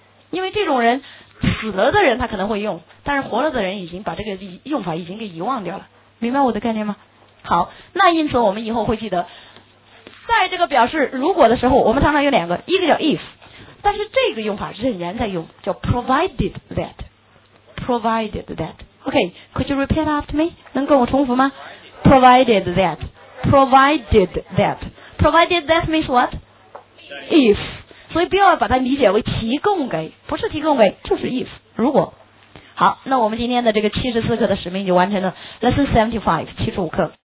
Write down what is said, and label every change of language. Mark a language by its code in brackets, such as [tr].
[zh] 因为这种人死了的人他可能会用，但是活了的人已经把这个用法已经给遗忘掉了，明白我的概念吗？好，那因此我们以后会记得在这个表示如果的时候我们常常有两个，一个叫 if， 但是这个用法仍然在用，叫 provided that， provided that。 [en] OK， could you repeat after me， [zh] 能跟我重复吗？ [en] provided thatProvided that. Provided that means what? If. [zh] 所以不要把它理解为提供给，不是提供给，就是 if， 如果。好，那我们今天的这个74课的使命就完成了。 [en] Lesson 75, [zh] 75课。